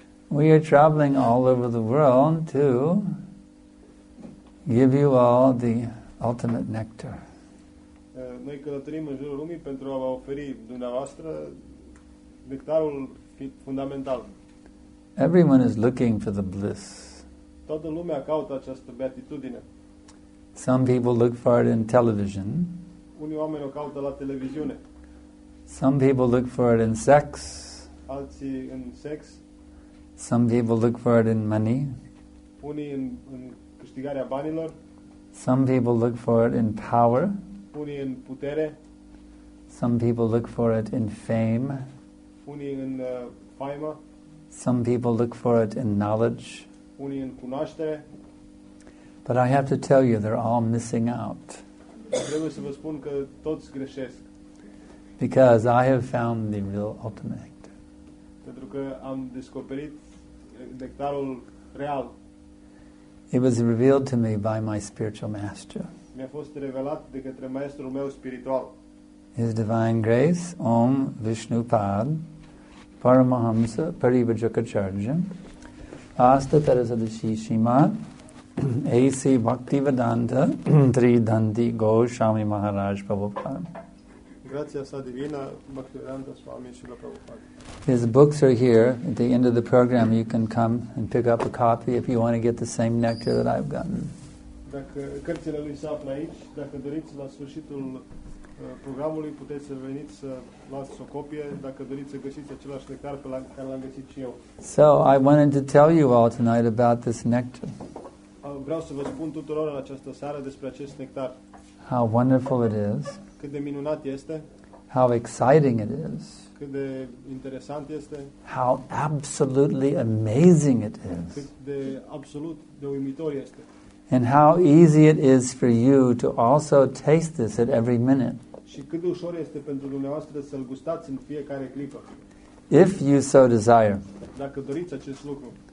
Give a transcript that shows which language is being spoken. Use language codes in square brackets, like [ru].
[en] We are traveling all over the world to give you all the ultimate nectar. [ro] Noi călătorim în jurul lumii pentru a vă oferi dumneavoastră nectarul fundamental. [en] Everyone is looking for the bliss. [ro] Toată lumea caută această beatitudine. [en] Some people look for it in television. [ro] Unii oameni o caută la televiziune. [en] Some people look for it in sex. [ro] Alții în sex. [en] Some people look for it in money. [ro] Unii în câștigarea banilor. [en] Some people look for it in power. [ro] Unii în putere. [en] Some people look for it in fame. [ro] Unii în faimă. [en] Some people look for it in knowledge. [ro] Unii în cunoaștere. [en] But I have to tell you, they're all missing out. [ro] Trebuie să vă spun că toți greșesc. [en] Because I have found the real ultimate. [ro] Pentru că am descoperit nectarul real. [en] It was revealed to me by my spiritual master. [ro] Mi-a fost revelat de către maestrul meu spiritual. [en] His Divine Grace, Om Vishnu Pad, Paramahamsa Parivajakacharya, Asta Tarasadashi Srimad, A.C. Bhaktivedanta, Tridanti Gaur Swami Maharaj Prabhupada. [ro] Grazia sa divina, Bhaktivedanta Swami Srila Prabhupada. [en] His books are here. At the end of the program, you can come and pick up a copy if you want to get the same nectar that I've gotten. [ro] Dacă cărțile lui se află aici, dacă doriți la sfârșitul programului, puteți să veniți să luați o copie, dacă doriți să găsiți același nectar pe care l-am găsit și eu. [en] So, I wanted to tell you all tonight about this nectar. [ro] Vreau să vă spun tuturor în această seară despre acest nectar. [en] How wonderful it is. [ro] Cât de minunat este. [en] How exciting it is. [ro] Cât de interesant este. [en] How absolutely amazing it is. [ro] Cât de absolut de uimitor este. [en] And how easy it is for you to also taste this at every minute. [ro] Și cât de ușor este pentru dumneavoastră să-l gustați în fiecare clipă. [en] If you so desire. [ro] Dacă doriți acest lucru.